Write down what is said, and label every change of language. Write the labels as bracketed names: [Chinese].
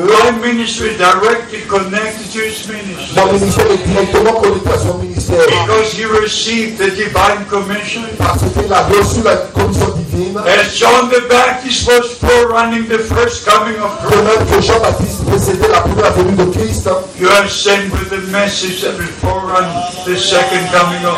[English] my ministry directly connected to his ministry. [French] Mon ministère est directement connecté à son ministère. [English] Because he received the divine commission. [French] Parce qu'il a reçu la commission divine. [English] As John the Baptist was forerunning the first coming of Christ. [French] De même que Jean-Baptiste précédait la première venue de Christ. [English] You are sent with the message that will forerun the second coming of